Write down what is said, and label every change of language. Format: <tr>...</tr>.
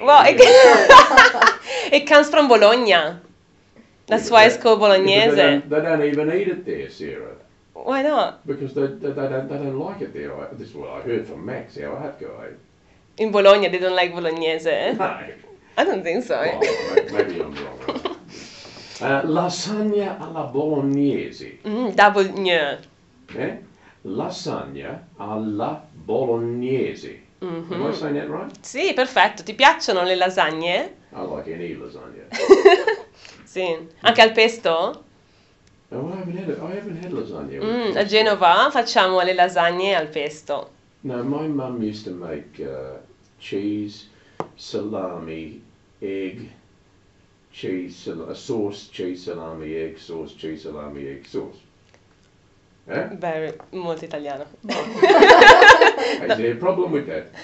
<en>Well, it comes from Bologna. That's yeah, why it's called bolognese. They don't even eat it there, Sarah. Why not? Because they don't like it there. This is what I heard from Max, our art guy. In Bologna, they don't like bolognese. No. I don't think so. Well, maybe I'm wrong.</en> <it>Lasagna alla bolognese.</it> <en>Double gne. Yeah?</en> <it>Lasagna alla bolognese.</it> <en>Am I saying that right?</en> <it>Sì, perfetto. Ti piacciono le lasagne?</it> <en>I like any lasagna.</en> <it>Sì. Anche al pesto?</it> <en>Oh, I haven't had lasagna.</en> <it>A Genova facciamo le lasagne al pesto.</it> <en>No, my mum used to make cheese, salami, egg, cheese, salami, egg, sauce. Very</en> <it>molto italiano.</it> <en>Is there a problem with that?</en>